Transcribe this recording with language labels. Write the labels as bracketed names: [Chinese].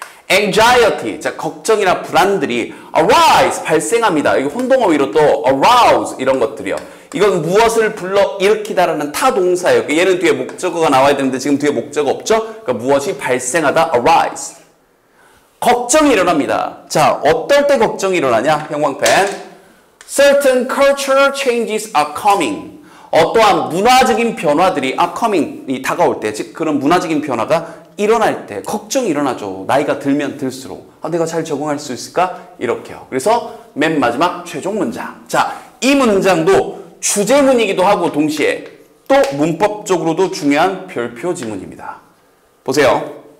[Korean] anxiety, 자 걱정이나 불안들이 arise, 발생합니다. 이게 혼동어 위로 또 arouse 이런 것들이요. 이건 무엇을 불러일으키다라는 타동사예요. 얘는 뒤에 목적어가 나와야 되는데 지금 뒤에 목적어 없죠? 그러니까 무엇이 발생하다, arise. 걱정이 일어납니다. 자, 어떨 때 걱정이 일어나냐? 형광펜. [English] Certain cultural changes are coming. [Korean] 어떠한 문화적인 변화들이 upcoming이 다가올 때, 즉 그런 문화적인 변화가 일어날 때 걱정이 일어나죠. 나이가 들면 들수록 아, 내가 잘 적응할 수 있을까? 이렇게요. 그래서 맨 마지막 최종 문장. 자, 이 문장도 주제문이기도 하고 동시에 또 문법적으로도 중요한 별표 지문입니다. 보세요.